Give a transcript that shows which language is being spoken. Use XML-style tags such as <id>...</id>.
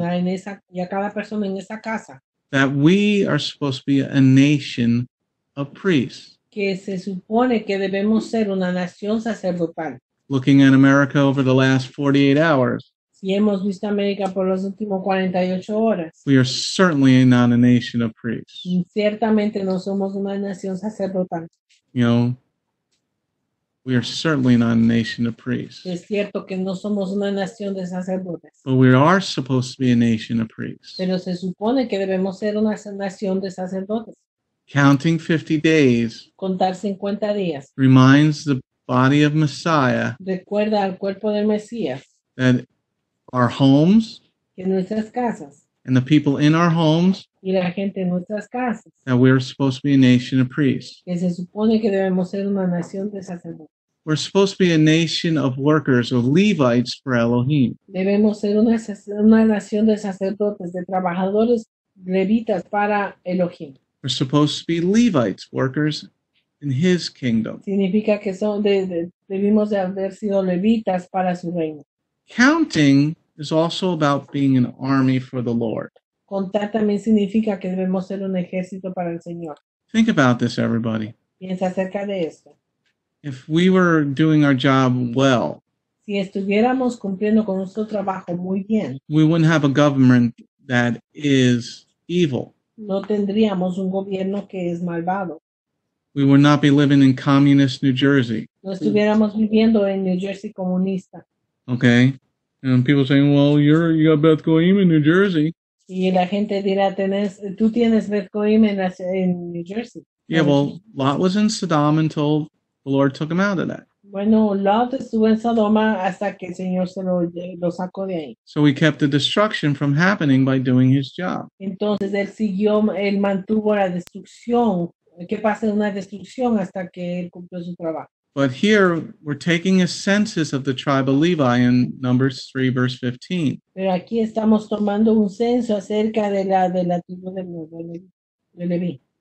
<es>en esa, y a cada persona en esa casa,</es> <en>that we are supposed to be a nation of priests.</en> <es>Que se supone que debemos ser una nación sacerdotal.</es> <en>Looking at America over the last 48 hours,</en> <es>si hemos visto América por los últimos 48 horas,</es> <en>we are certainly not a nation of priests.</en> <es>Y ciertamente no somos una nación sacerdotal.</es> <en>You know, we are certainly not a nation of priests.</en> <es>Es cierto que no somos una nación de sacerdotes.</es> <en>But we are supposed to be a nation of priests.</en> <es>Pero se supone que debemos ser una nación de sacerdotes.</es> <en>Counting 50 days.</en> <es>Contar 50 días.</es> <en>Reminds the body of Messiah.</en> <es>Recuerda al cuerpo del Mesías.</es> <en>That our homes.</en> <es>Que nuestras casas.</es> <en>And the people in our homes.</en> <es>Y la gente en nuestras casas.</es> <en>That we are supposed to be a nation of priests.</en> <es>Que se supone que debemos ser una nación de sacerdotes.</es> <en>We're supposed to be a nation of workers, of Levites for Elohim.</en> <es>Debemos ser una nación de sacerdotes, de trabajadores levitas para Elohim.</es> <en>We're supposed to be Levites, workers in His kingdom.</en> <es>Significa que debimos de haber sido levitas para su reino.</es> <en>Counting is also about being an army for the Lord.</en> <es>Contar también significa que debemos ser un ejército para el Señor.</es> <en>Think about this, everybody.</en> <es>Piensa acerca de esto.</es> <en>If we were doing our job well,</en> <es>si estuviéramos cumpliendo con nuestro trabajo muy bien,</es> <en>we wouldn't have a government that is evil.</en> <es>No tendríamos un gobierno que es malvado.</es> <en>We would not be living in communist New Jersey.</en> <es>No estuviéramos viviendo en New Jersey comunista.</es> <en>Okay. And people saying, well, you got Beth Goim in New Jersey.</en> <es>Y la gente dirá, tú tienes Beth Goim en New Jersey.</es> <en>Yeah, well, Lot was in Sodom until the Lord took him out of that.</en> <es>Bueno, Lot estuvo en Sodoma hasta que el Señor se lo sacó de ahí.</es> <en>So he kept the destruction from happening by doing his job.</en> <es>Entonces él siguió, él mantuvo la destrucción, que pase una destrucción hasta que él cumplió su trabajo.</es> <en>But here, we're taking a census of the tribe of Levi in Numbers 3, verse 15.</en> <es>Pero aquí estamos tomando un censo acerca de la tribu de Levi.</es>